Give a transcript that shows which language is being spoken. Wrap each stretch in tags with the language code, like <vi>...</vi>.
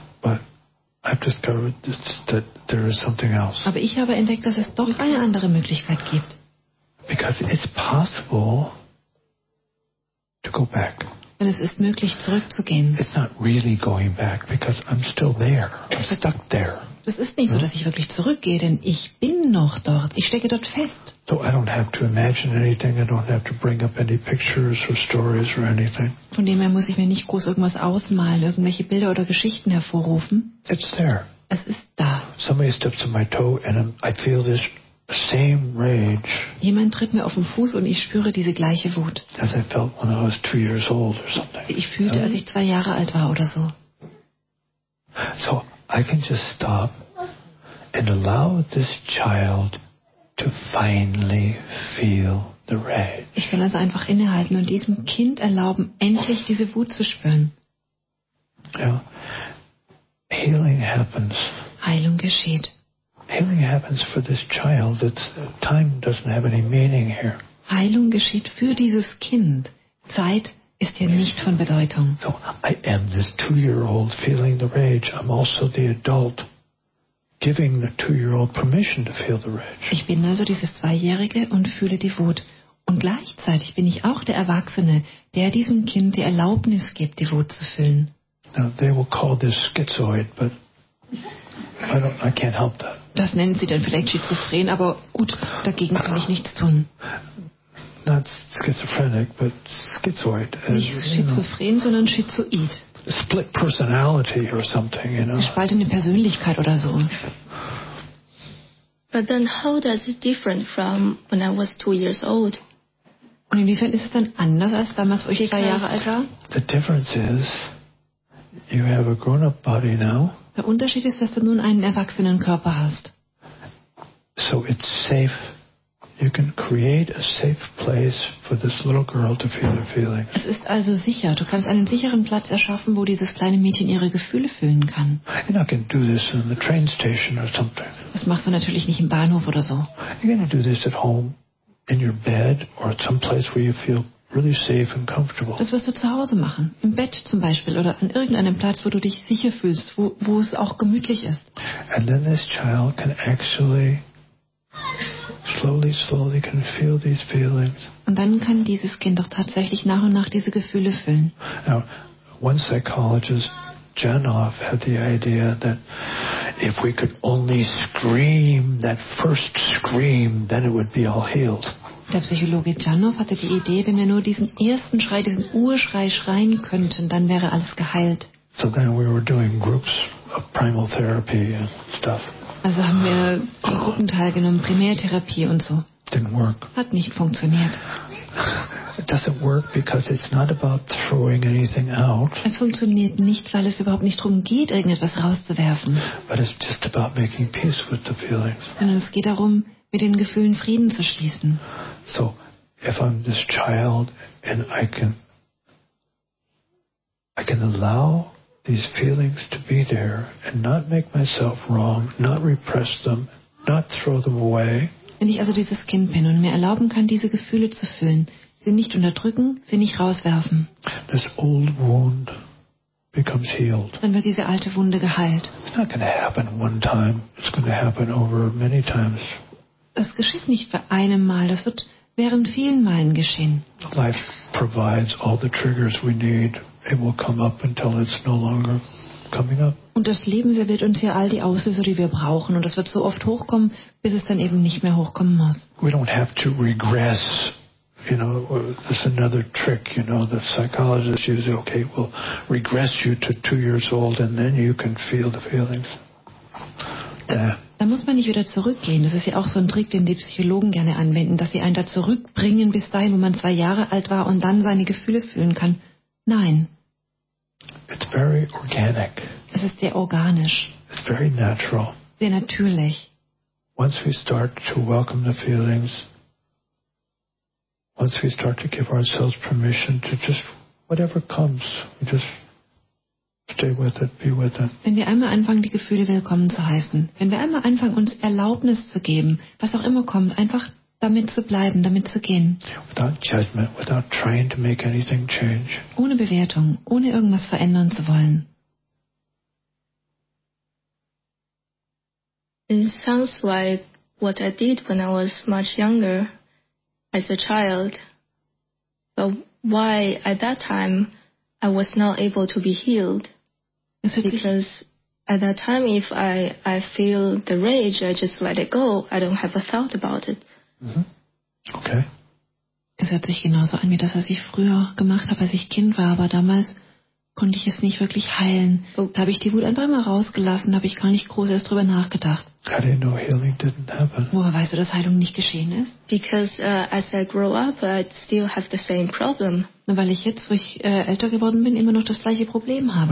<en>But I've discovered that there is something else.</en> <de>Aber ich habe entdeckt, dass es doch eine andere Möglichkeit gibt.</de> <en>Because it's possible to go back.</en> <de>Denn es ist möglich, zurückzugehen.</de> <en>It's not really going back because I'm still there. I'm stuck there.</en> <de>Das ist nicht so, dass ich wirklich zurückgehe, denn ich bin noch dort. Ich stecke dort fest.</de> <en>So I don't have to imagine anything. I don't have to bring up any pictures or stories or anything.</en> <de>Von dem her muss ich mir nicht groß irgendwas ausmalen, irgendwelche Bilder oder Geschichten hervorrufen.</de> <en>It's there.</en> <de>Es ist da.</de> <en>Somebody steps on my toe and I feel this same rage.</en> <de>Jemand tritt mir auf den Fuß und ich spüre diese gleiche Wut.</de> <en>As I felt when I was 2 years old or something.</en> <de>Ich fühlte, als ich 2 Jahre alt war oder so.</de> <en>So I can just stop and allow this child to finally feel the rage.</en> <de>Ich kann also einfach innehalten und diesem Kind erlauben, endlich diese Wut zu spüren.</de> <en>Yeah. Healing happens.</en> <de>Heilung geschieht.</de> <en>Healing happens for this child. It's, time doesn't have any meaning here.</en> <de>Heilung geschieht für dieses Kind. Zeit ist hier nicht von Bedeutung.</de> <en>So I am this 2-year-old feeling the rage. I'm also the adult giving the 2-year-old permission to feel the rage.</en> <de>Ich bin also dieses 2-Jährige und fühle die Wut. Und gleichzeitig bin ich auch der Erwachsene, der diesem Kind die Erlaubnis gibt, die Wut zu fühlen.</de> <en>Now they will call this schizoid, but I can't help that.</en> <de>Das nennen sie dann vielleicht schizophren, aber gut, dagegen kann ich nichts tun.</de> <en>Not schizophrenic, but schizoid.</en> <de>Nicht schizophren, sondern schizoid.</de> <en>Split personality or something, you know.</en> <de>Gespaltene Persönlichkeit oder so.</de> <en>But then how does it different from when I was 2 years old?</en> <de>Und inwiefern ist es dann anders als damals, wo ich 2 Jahre alt war?</de> <en>The difference is, you have a grown-up body now.</en> <de>Der Unterschied ist, dass du nun einen erwachsenen Körper hast.</de> <en>So it's safe. You can create a safe place for this little girl to feel her feelings.</en> <de>Es ist also sicher. Du kannst einen sicheren Platz erschaffen, wo dieses kleine Mädchen ihre Gefühle fühlen kann.</de> <en>You're not going to do this in the train station or something.</en> <de>Das machst du natürlich nicht im Bahnhof oder so.</de> <en>You're going to do this at home, in your bed or at some place where you feel really safe and comfortable.</en> <de>Das wirst du zu Hause machen, im Bett zum Beispiel oder an irgendeinem Platz, wo du dich sicher fühlst, wo es auch gemütlich ist.</de> <en>And then this child can actually slowly can feel these feelings.</en> <de>Und dann kann dieses Kind doch tatsächlich nach und nach diese Gefühle fühlen.</de> <en>Now, one psychologist, Janoff, had the idea that if we could only scream that first scream, then it would be all healed.</en> <de>Der Psychologe Janoff hatte die Idee, wenn wir nur diesen ersten Schrei, diesen Urschrei schreien könnten, dann wäre alles geheilt.</de> <en>So then we were doing groups of primal therapy and stuff.</en> <de>Also haben wir in Gruppen teilgenommen, Primärtherapie und so.</de> <en>Didn't work.</en> <de>Hat nicht funktioniert.</de> <en>It doesn't work because it's not about throwing anything out.</en> <de>Es funktioniert nicht, weil es überhaupt nicht darum geht, irgendetwas rauszuwerfen.</de> <en>But it's just about making peace with the feelings.</en> <de>Sondern es geht darum, mit den Gefühlen Frieden zu schließen.</de> <en>So, if I'm this child and I can allow these feelings to be there and not make myself wrong, not repress them, not throw them away.</en> <de>Wenn ich also dieses Kind bin und mir erlauben kann, diese Gefühle zu fühlen, sie nicht unterdrücken, sie nicht rauswerfen.</de> <en>This old wound becomes healed.</en> <de>Dann wird diese alte Wunde geheilt.</de> <en>It's not going to happen one time. It's going to happen over many times.</en> <de>Das geschieht nicht bei einem Mal. Das wird während vielen Malen geschehen.</de> <en>Life provides all the triggers we need. It will come up until it's no longer coming up.</en> <de>Und das Leben serviert uns hier all die Auslöser, die wir brauchen. Und das wird so oft hochkommen, bis es dann eben nicht mehr hochkommen muss.</de> <en>We don't have to regress. You know, that's another trick, you know, that psychologists use. Okay, we'll regress you to 2 years old and then you can feel the feelings.</en> <de>Da muss man nicht wieder zurückgehen. Das ist ja auch so ein Trick, den die Psychologen gerne anwenden, dass sie einen da zurückbringen bis dahin, wo man 2 Jahre alt war und dann seine Gefühle fühlen kann. Nein.</de> <en>It's very organic.</en> <de>Es ist sehr organisch.</de> <en>It's very natural.</en> <de>Sehr natürlich.</de> <en>Once we start to welcome the feelings, once we start to give ourselves permission to just whatever comes, we just stay with it, be with it.</en> <de>Wenn wir einmal anfangen, die Gefühle willkommen zu heißen, wenn wir einmal anfangen, uns Erlaubnis zu geben, was auch immer kommt, einfach damit zu bleiben, damit zu gehen.</de> <en>Without judgment, without trying to make anything change.</en> <de>Ohne Bewertung, ohne irgendwas verändern zu wollen.</de> <en>It sounds like what I did when I was much younger, as a child. But why at that time I was not able to be healed? Because at that time, if I feel the rage, I just let it go. I don't have a thought about it. Mm-hmm. Okay.</en> <de>Es hört sich genauso an wie das, was ich früher gemacht habe, als ich Kind war. Aber damals konnte ich es nicht wirklich heilen. Da habe ich die Wut einfach mal rausgelassen. Da habe ich gar nicht groß erst drüber nachgedacht.</de> <en>How do you know healing didn't happen?</en> <de>Woher weißt du, dass Heilung nicht geschehen ist?</de> <en>Because as I grow up, I still have the same problem.</en> <de>Nur weil ich jetzt, wo ich älter geworden bin, immer noch das gleiche Problem habe.</de>